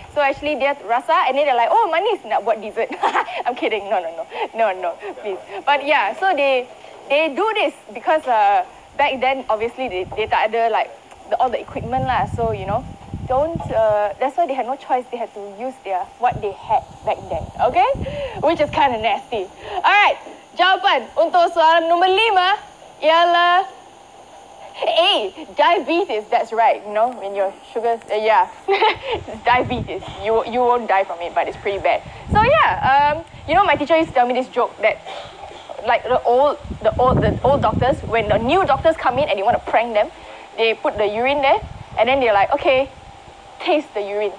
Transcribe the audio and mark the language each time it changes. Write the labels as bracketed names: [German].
[English] So actually, dia rasa, and then they're like, oh, [Malay] manis, nak buat dessert. [English] I'm kidding, no, please. But yeah, so they do this because back then, obviously, they [Malay] tak ada, [English] like, all the equipment lah. So, you know, that's why they had no choice. They had to use what they had back then, okay? Which is kind of nasty. [Malay] Alright, jawapan untuk soalan nombor 5 ialah... [English] A, diabetes, that's right, you know, when your sugar, diabetes, you won't die from it, but it's pretty bad. So yeah, you know, my teacher used to tell me this joke that, like, the old doctors, when the new doctors come in and you want to prank them, they put the urine there, and then they're like, okay, taste the urine.